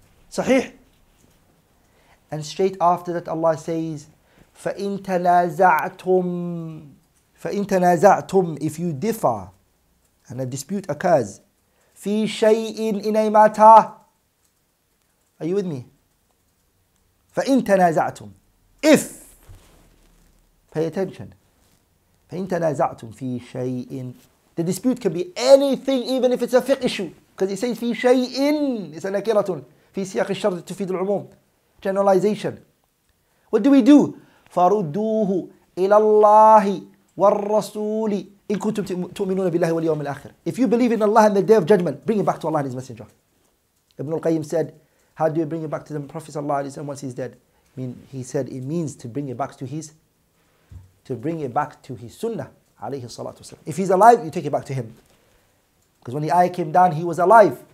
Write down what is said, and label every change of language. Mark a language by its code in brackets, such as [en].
[en] Sahih. And straight after that Allah says, [ar] فَإِن تَنَازَعْتُمْ, [en] if you differ and a dispute occurs, [ar] في شيء [en] in a matter. Are you with me? [ar] فإن تنازعتم. [en] If. Pay attention. [ar] فإن تنازعتم في شيء. [en] The dispute can be anything, even if it's a fiqh issue. Because he says [ar] في شيء. [en] It's a نكرة. [ar] في سياق الشر تفيد العموم. [en] Generalization. What do? [ar] فردوه إلى الله والرسول. إن كنتم تؤمنون بالله واليوم الآخر. [en] If you believe in Allah and the Day of Judgment, bring it back to Allah and His Messenger. Ibn al-Qayyim said, how do you bring it back to the Prophet sallallahu alayhi wa sallam once he's dead? He said, it means to bring it back to his Sunnah alayhi salatu wasalam. If he's alive, you take it back to him. Because when the ayah came down, he was alive.